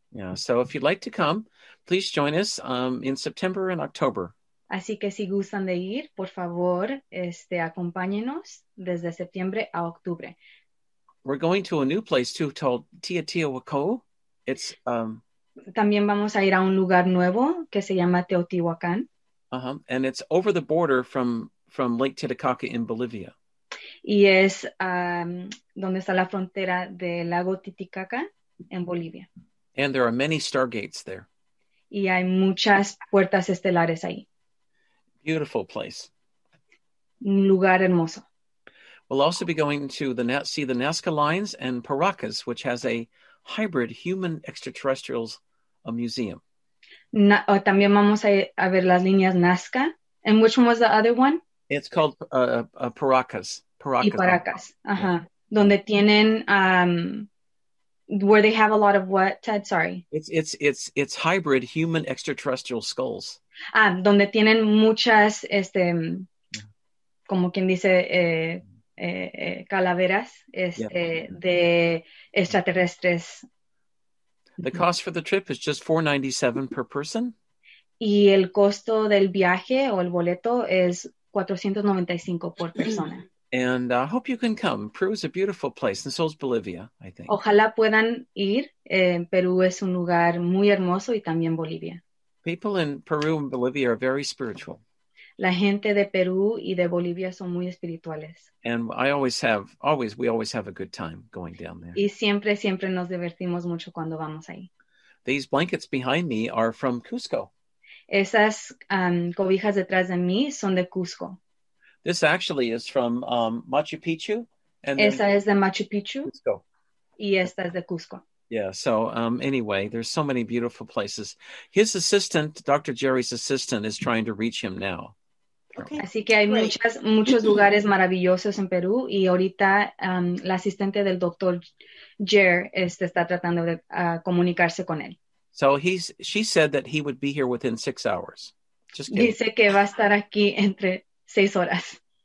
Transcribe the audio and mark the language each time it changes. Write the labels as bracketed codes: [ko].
[en] Yeah, so if you'd like to come, please join us in September and October. [es] Así que si gustan de ir, por favor, acompáñenos desde septiembre a octubre. [en] We're going to a new place too, called Teotihuacan. [es] También vamos a ir a un lugar nuevo que se llama Teotihuacan. Uh-huh. [en] And it's over the border from Lake Titicaca in Bolivia. [es] Y es donde está la frontera del lago Titicaca en Bolivia. [en] And there are many stargates there. [es] Y hay muchas puertas estelares ahí. [en] Beautiful place. [es] Un lugar hermoso. [en] We'll also be going to see the Nazca Lines and Paracas, which has a hybrid human extraterrestrials museum. [es] También vamos a ver las líneas Nazca. [en] And which one was the other one? It's called Paracas. Paracas. Y Paracas. Uh-huh. Yeah. [es] Donde tienen, [en] where they have a lot of what, Ted? Sorry. It's hybrid human extraterrestrial skulls. [es] Ah, donde tienen muchas, como quien dice, calaveras de extraterrestres. [en] The cost for the trip is just $497 per person. [es] Y el costo del viaje o el boleto es $495 por persona. [en] And I hope you can come. Peru is a beautiful place, and so is Bolivia, I think. [es] Ojalá puedan ir. Perú es un lugar muy hermoso y también Bolivia. [en] People in Peru and Bolivia are very spiritual. [es] La gente de Perú y de Bolivia son muy espirituales. [en] And we always have a good time going down there. [es] Y siempre nos divertimos mucho cuando vamos ahí. [en] These blankets behind me are from Cusco. [es] Esas cobijas detrás de mí son de Cusco. [en] This actually is from Machu Picchu. [es] And esa es de Machu Picchu. Cusco. Y esta es de Cusco. [en] Yeah, so anyway, there's so many beautiful places. His assistant, Dr. Jerry's assistant, is trying to reach him now. Okay. [es] Así que hay muchos lugares maravillosos en Perú, y ahorita la asistente del Dr. Jer está tratando de comunicarse con él. [en] So she said that he would be here within 6 hours. Just kidding. [es] Dice que va a estar aquí entre 6 horas.